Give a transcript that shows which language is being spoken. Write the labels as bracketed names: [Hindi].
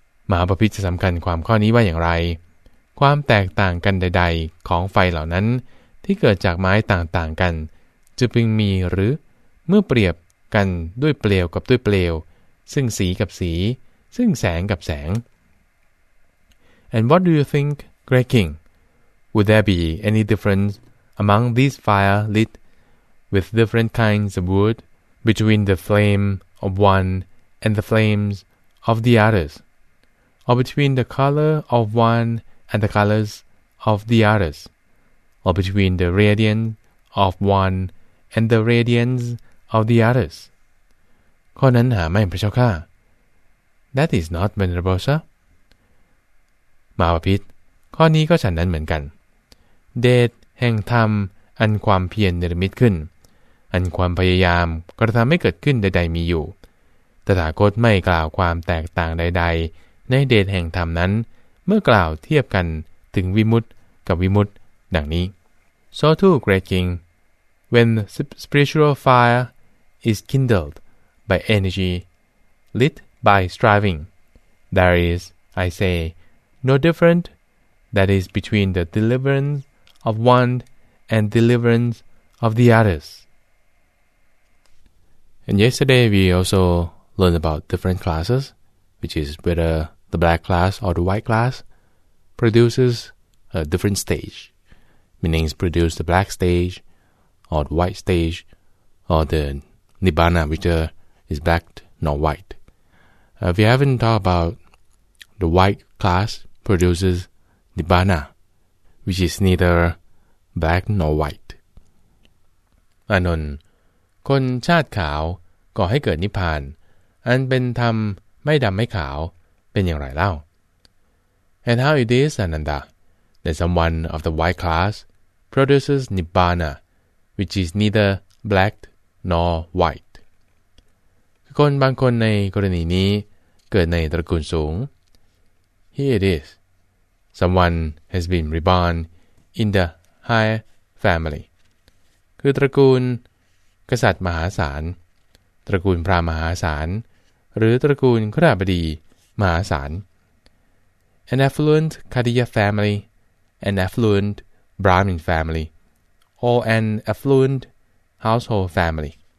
[Thai] มหาปพิธจะสำคัญความข้อนี้ว่าอย่างไรความแตกต่างกันใดๆของไฟเหล่านั้นที่เกิดจากไม้ต่างๆกันจะพึงมีหรือเมื่อเปรียบกันด้วยเปลวกับด้วยเปลวซึ่งสีกับสีซึ่งแสงกับแสง [English] And what do you think, Great King? Would there be any difference among this fire lit with different kinds of wood between the flame of one and the flames of the others? Or between the color of one and the colors of the others? Or between the radiance of one and the radiance of the others? [Thai] ข้อนั้นหาไม่พระเจ้าค่ะ [English] That is not venerable, sir. [Thai] มาพิษข้อนี้ก็ฉันนั้นเหมือนกันเดชแห่งธรรมอันความเพียรนิรมิตขึ้นอันความพยายามกระทำให้เกิดขึ้นใดๆมีอยู่ตถาคตไม่กล่าวความแตกต่างใดๆในเดชแห่งธรรมนั้นเมื่อกล่าวเทียบกันถึงวิมุตติกับวิมุตติดังนี้ [English] So too, great king, when spiritual fire is kindled by energy, lit by striving, there is, I say, no difference that is between the deliverance of one and deliverance of the others. And yesterday we also learned about different classes, which is whether the black class or the white class produces a different stage, meaning it's produced the black stage or the white stage or the Nibbana, which is black not white. We haven't talked about the white class produces Nibbana, which is neither black nor white. [Thai] Anon, คนชาติขาวก่อให้เกิดนิพพานอันเป็นธรรมไม่ดำไม่ขาวเป็นอย่างไรเล่า [English] And how it is, Ananda, that someone of the white class produces Nibbana, which is neither black nor white. [Thai] คนบางคนในกรณีนี้เกิดในตระกูลสูง [English] Here it is. Someone has been reborn in the high family. [Thai] คือตระกูลกษัตริย์มหาศาลตระกูลพราหมณ์มหาศาลหรือตระกูลคฤหบดีมหาศาล [English] An affluent Kadiya family, an affluent Brahmin family, or an affluent household family.